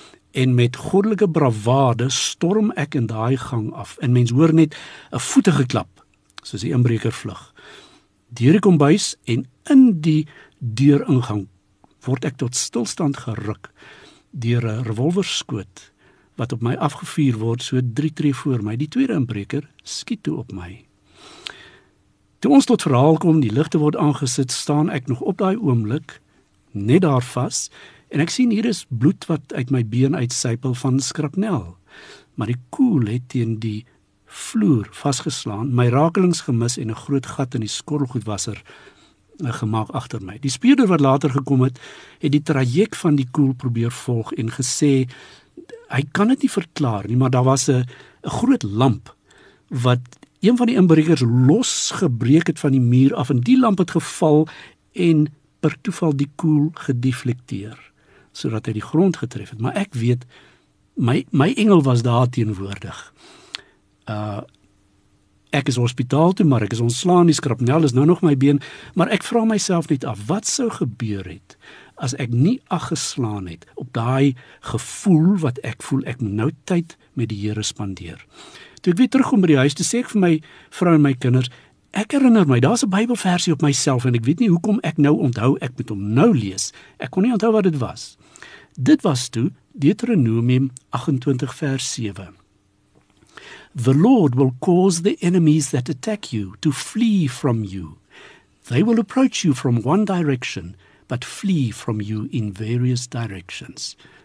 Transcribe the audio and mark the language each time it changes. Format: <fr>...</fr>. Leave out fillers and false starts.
<af>en met goddelike bravade storm ek in daai gang af, en mens hoor net 'n voete geklap, soos die inbreker vlug. Deur die kombuis en in die deuringang word ek tot stilstand geruk deur 'n revolverskoot wat op my afgevuur word so 3 tree voor my. Die tweede inbreker skiet toe op my. Toe ons tot verhaal kom, die ligte word aangesit, staan ek nog op daai oomblik net daar vas, en ek sien hier is bloed wat uit my been uitsypel van skrapnel. Maar die koel het teen die vloer vasgeslaan, my rakelings gemis en 'n groot gat in die skorrelgoedwasser gemaak agter my. Die speurder wat later gekom het, het die traject van die koel probeer volg en gesê, hy kan dit nie verklaar nie, maar daar was 'n groot lamp wat een van die inbrekers losgebreek het van die muur af, en die lamp het geval en per toeval die koel gedeflekteer, sodat hy die grond getref het. Maar ek weet, my engel was daar teenwoordig. Ek is hospitaal toe, maar ek is ontslaan, die skrapnel is nou nog my been, maar ek vra myself net af, wat sou gebeur het as ek nie aggeslaan het op daai gevoel wat ek voel, ek nou tyd met die Here spandeer. Toe ek weer terugkom by die huis, toe sê ek vir my vrou en my kinders, ek herinner my, daar's 'n Bybelversie op myself en ek weet nie hoekom ek nou onthou, ek moet hom nou lees. Ek kon nie onthou wat dit was. Dit was toe Deuteronomium 28 vers 7.</af> <en>The Lord will cause the enemies that attack you to flee from you. They will approach you from one direction, but flee from you in various directions.</en>